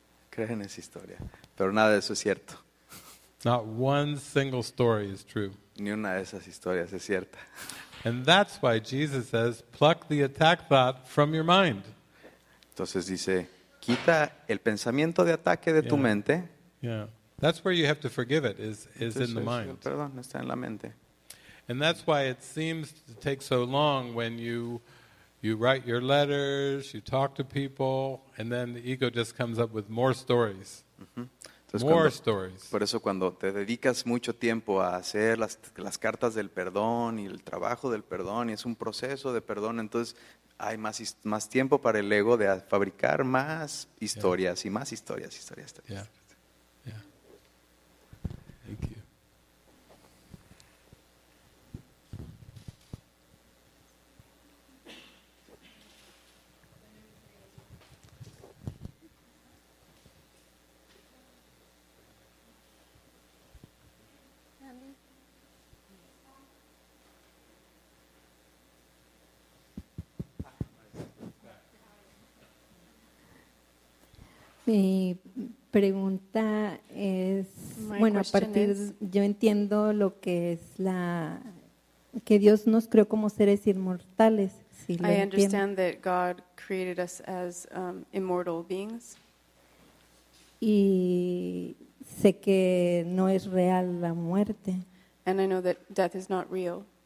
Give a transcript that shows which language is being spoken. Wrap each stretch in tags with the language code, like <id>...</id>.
<es>Cree en esa historia, pero nada de eso es cierto.</es> <en>Not one single story is true.</en> <es>Ni una de esas historias es cierta.</es> <en>And that's why Jesus says, "Pluck the attack thought from your mind."</en> <es>Entonces dice, quita el pensamiento de ataque de tu mente.</es> <en>Yeah. That's where you have to forgive it is in the mind.</en> <es>Perdón, está en la mente.</es> <en>And that's why it seems to take so long when you You write your letters, you talk to people, and then the ego just comes up with more stories. Entonces, more cuando, stories.</en> <es>Por eso cuando te dedicas mucho tiempo a hacer las cartas del perdón y el trabajo del perdón y es un proceso de perdón, entonces hay más tiempo para el ego de fabricar más historias y más historias, historias.</es> <en>Yeah.</en> <es>Mi pregunta es, a partir, yo entiendo lo que es la, que Dios nos creó como seres inmortales, si lo entiendo.</es> <en>I understand that God created us as immortal beings.</en> <es>Y sé que no es real la muerte.</es> <en>And I know that death is not real.</en>